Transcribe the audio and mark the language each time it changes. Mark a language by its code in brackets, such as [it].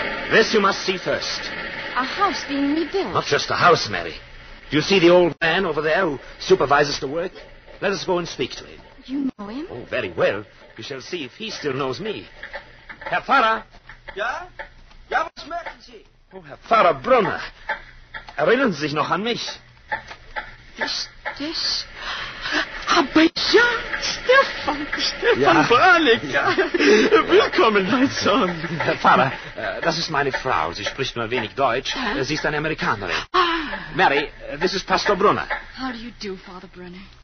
[en] This you must see first. A house being rebuilt. Not just a house, Mary. Do you see the old man over there who supervises the work? Let us go and speak to him. You know him? Oh, very well. We shall see if he still knows me. [de] Herr Pfarrer. Ja? Ja, was möchten Sie? Oh, Herr Pfarrer Brunner. Erinnern Sie sich noch an mich? Das... Aber ja, Stefan ja. Brannock. Ja. Willkommen, mein Sohn. Herr Pfarrer, das ist meine Frau. Sie spricht nur ein wenig Deutsch. Sie ist eine Amerikanerin. Ah. [en] Mary, this is Pastor Brunner. How do you do, Father Brunner?